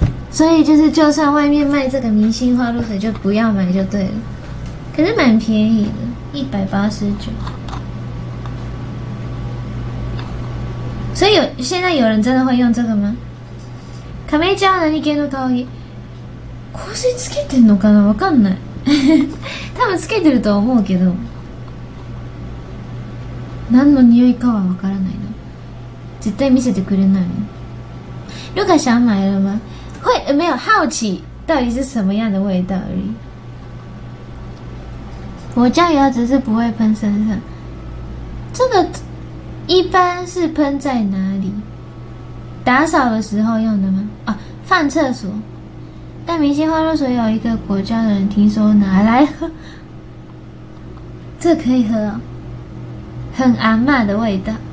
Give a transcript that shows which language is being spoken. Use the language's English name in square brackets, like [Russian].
[Chinese] 所以就算外面卖这个明星花露水，就不要买就对了。可是蛮便宜的，189。所以现在有人真的会用这个吗？ [Japanese] カメイちゃんは何系の香り？香水つけてんのかな？わかんない。多分つけてるとは思うけど、何の匂いかはわからないの。絶対見せてくれないの。 [Chinese] ルカ想买了吗？会没有好奇到底是什么样的味道而已。我家也只是不会喷身上，这个一般是喷在哪里？打扫的时候用的吗？啊，放厕所。但明星花露水有一个果胶的人听说拿来喝，这可以喝哦，很阿嬷的味道。